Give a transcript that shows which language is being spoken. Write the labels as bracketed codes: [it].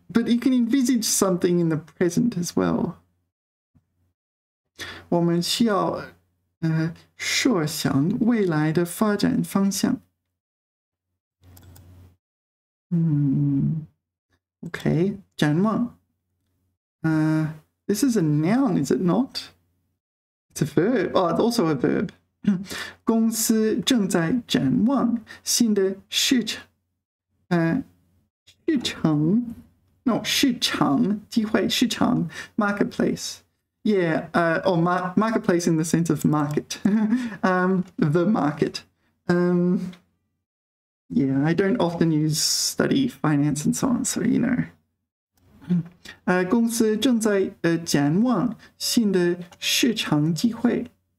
[en] But you can envisage something in the present as well. [zh] 我们需要设想未来的发展方向。 [en] Okay, 展望。This is a noun, is it not? It's a verb. Oh, it's also a verb. [zh] 公司正在展望新的市场。市场 No, 市场机会市场 Marketplace. [en] Yeah, marketplace in the sense of market. the market. Yeah, I don't often use study finance and so on, so you know. [zh] 公司正在展望新的市场机会。